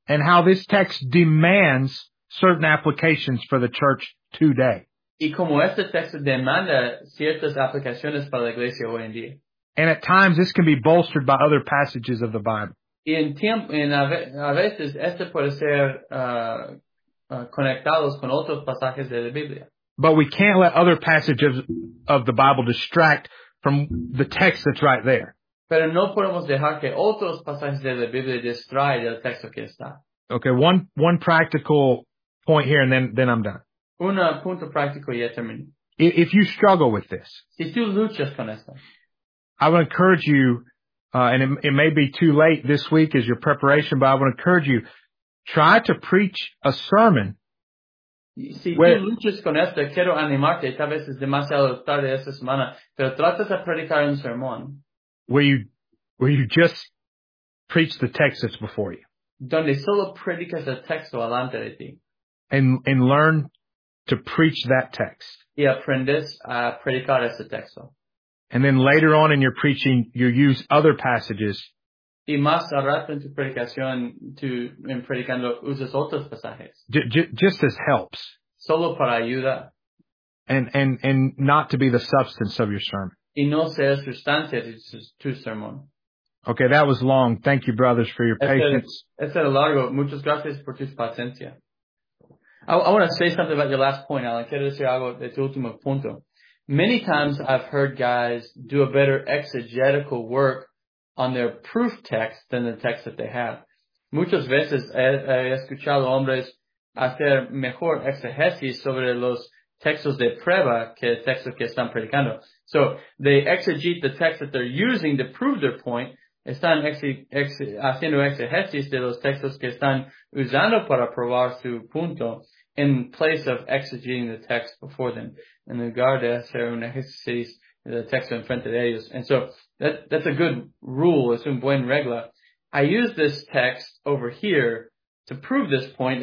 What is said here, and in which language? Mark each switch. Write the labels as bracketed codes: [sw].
[en] And how this text demands certain applications for the church today. [es] Y como este texto demanda ciertas aplicaciones para la iglesia hoy en día. [en] And at times this can be bolstered by other passages of the Bible. [es] Y en tiempo, en a veces este puede ser conectados con otros pasajes de la Biblia. [en] But we can't let other passages of the Bible distract from the text that's right there. [es] Pero no podemos dejar que otros pasajes de la Biblia distraigan el texto que está. [en] Okay, one practical point here and then I'm done. [es] Un punto práctico y termino. [en] If you struggle with this. [es] Si tú luchas con esto. [en] I would encourage you, and it may be too late this week as your preparation, but I would encourage you, try to preach a sermon. [es] Si where, tú luchas con esto, quiero animarte, tal vez es demasiado tarde esta semana, pero tratas de predicar un sermón. [en] Where you just preach the text that's before you. [es] Donde solo predicas el texto delante de ti. [en] and learn to preach that text. [es] Y aprendes a predicar ese texto. [en] And then later on in your preaching, you use other passages. [es] Y más al rato en tu predicación, en predicando, usas otros pasajes. [en] Just as helps. [es] Solo para ayuda. [en] And not to be the substance of your sermon. [es] Y no ser sustancia de tu sermón. [en] Okay, that was long. Thank you, brothers, for your patience. [es] Este era largo. Muchas gracias por tu paciencia. [en] I want to say something about your last point, Alan. [es] Quiero decir algo de tu último punto. [en] Many times I've heard guys do a better exegetical work on their proof text than the text that they have. [es] Muchas veces he escuchado hombres hacer mejor exegesis sobre los textos de prueba que textos que están predicando. [en] So they exegete the text that they're using to prove their point. [es] Están haciendo exegesis de los textos que están usando para probar su punto [en] in place of exegeting the text before them. [es] En lugar de hacer un exegesis del texto en frente de ellos. [en] And so that's a good rule. [es] Es un buen regla. [en] I use this text over here to prove this point.